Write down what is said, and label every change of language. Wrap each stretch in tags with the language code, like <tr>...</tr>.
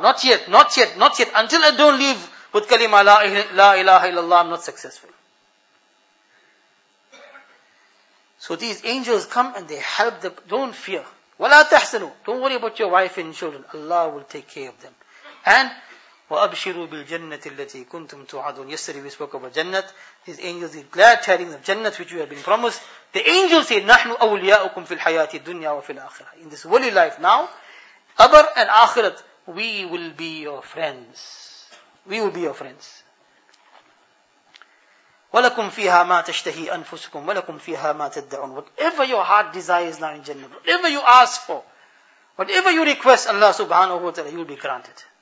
<en>Not yet, not yet, not yet. Until I don't leave with kalima la ilaha illallah, I'm not successful. So these angels come and they help them. Don't fear.</en> <ar>وَلَا تَحْسَنُوا.</ar> <en>Don't worry about your wife and children. Allah will take care of them. And</en> <ar>وَأَبْشِرُوا بِالْجَنَّةِ الَّتِي كُنْتُمْ تُعَدُونَ.</ar> <en>Yesterday we spoke about Jannat. These angels, these glad tidings of Jannat which you have been promised. The angels say,</en> <ar>نَحْنُ أَوْلِيَاؤُكُمْ فِي الْحَيَاةِ الدُّنْيَا وَفِي الْآخِرَةِ.</ar> <en>In this holy life now, Qabr and Akhirat, we will be your friends. We will be your friends.</en> <ar>وَلَكُمْ فِيهَا مَا تَشْتَهِي أَنفُسُكُمْ وَلَكُمْ فِيهَا مَا تَدَّعُونَ.</ar> <en>Whatever your heart desires now in Jannah, whatever you ask for, whatever you request, Allah subhanahu wa ta'ala, you will be granted.</en>